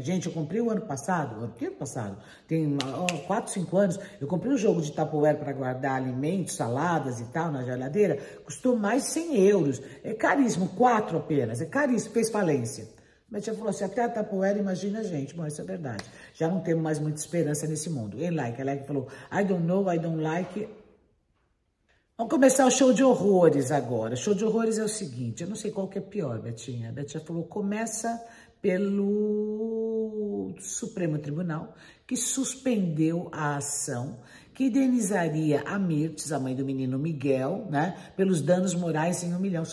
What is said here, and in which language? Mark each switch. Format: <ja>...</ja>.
<pt>Gente, eu comprei o ano passado, o ano passado, tem 4, 5 anos, eu comprei um jogo de Tupperware para guardar alimentos, saladas e tal, na geladeira. Custou mais de 100 euros. É caríssimo, 4 apenas. É caríssimo, fez falência. Betinha falou assim, até a Tupperware, imagina a gente. Bom, isso é verdade. Já não temos mais muita esperança nesse mundo. Hein, like? A like falou,</pt> <en>I don't know, I don't like.</en> <pt>Vamos começar o show de horrores agora. Show de horrores é o seguinte, eu não sei qual que é pior, Betinha. A Betinha falou, começa pelo Supremo Tribunal, que suspendeu a ação que indenizaria a Mirtes, a mãe do menino Miguel, né, pelos danos morais em 1 milhão.</pt>